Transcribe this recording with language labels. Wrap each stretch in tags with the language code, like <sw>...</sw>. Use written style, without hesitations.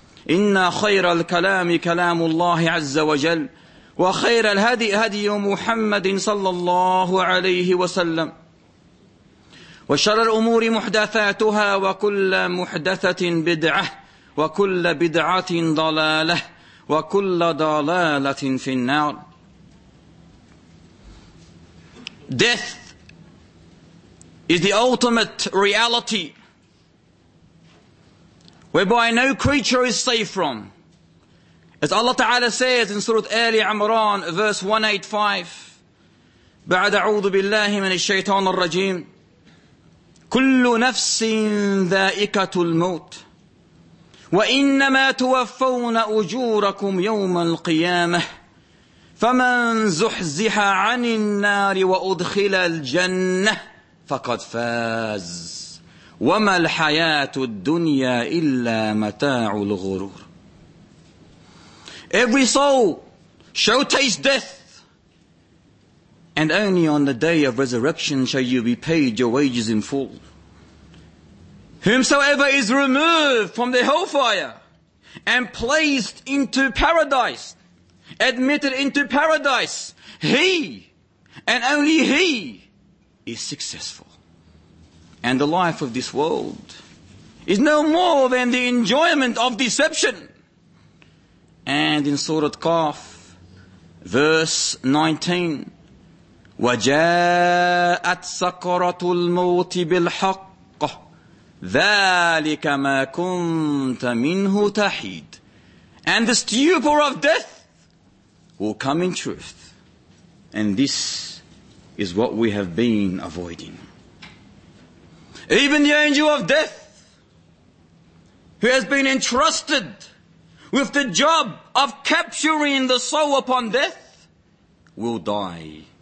<ar>إن خير الكلام كلام الله عز وجل، وخير الهدي هدي محمد صلى الله عليه وسلم، وشر الأمور محدثاتها، وكل محدثة بدعة، وكل بدعة ضلالة، وكل ضلالة في النار.</ar> <en>Death is the ultimate reality whereby no creature is safe from. As Allah Ta'ala says in Surah Ali Imran, verse 185,</en> <ar>بعد أعوذ بالله من الشيطان الرجيم كل نفس ذائقة الموت وإنما توفون أجوركم يوم القيامة فمن زحزح عن النار وأدخل الجنة فقد فاز وما الحياة الدنيا إلا متاع الغرور.</ar> <en>Every soul shall taste death, and only on the day of resurrection shall you be paid your wages in full. Whomsoever is removed from the hellfire and placed into paradise, admitted into paradise, he and only he is successful. And the life of this world is no more than the enjoyment of deception. And in Surah Qaf, verse 19,</en> <ar>وَجَاءَتْ سَكْرَةُ الْمَوْتِ بِالْحَقِّ ذَلِكَ مَا كُنْتَ مِنْهُ تَحِيدُ.</ar> <en>And the stupor of death will come in truth. And this is what we have been avoiding. Even the angel of death, who has been entrusted with the job of capturing the soul upon death, will die.</en>